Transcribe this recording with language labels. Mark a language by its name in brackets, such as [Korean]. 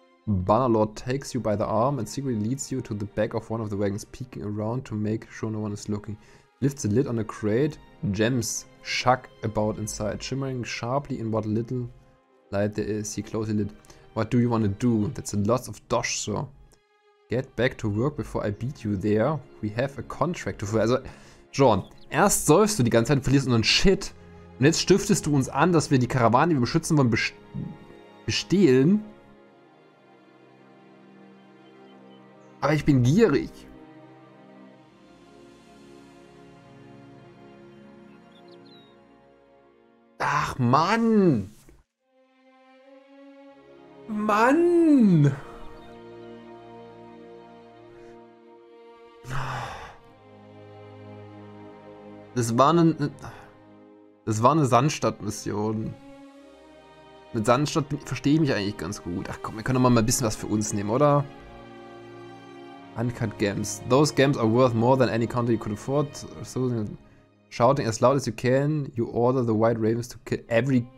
[English] Bannerlord takes you by the arm and secretly leads you to the back of one of the wagons, peeking around to make sure no one is looking. Lifts the lid on a crate, gems shuck about inside, shimmering sharply in what little light there is. He closes the lid. What do you want to do? That's a lot of dosh, sir. Get back to work before I beat you there. We have a contract to fulfill. [German] Also, John, erst säufst du die ganze Zeit und verlierst unseren Shit. Und jetzt stiftest du uns an, dass wir die Karawane, die wir beschützen wollen, bestehlen. Aber ich bin gierig. Ach, Mann. Mann! Das war eine Sandstadt-Mission. Mit Sandstadt verstehe ich mich eigentlich ganz gut. Ach komm, wir können doch mal ein bisschen was für uns nehmen, oder? [English] Uncut Gems. Those Gems are worth more than any counter you could afford. So, shouting as loud as you can, you order the White Ravens to kill every...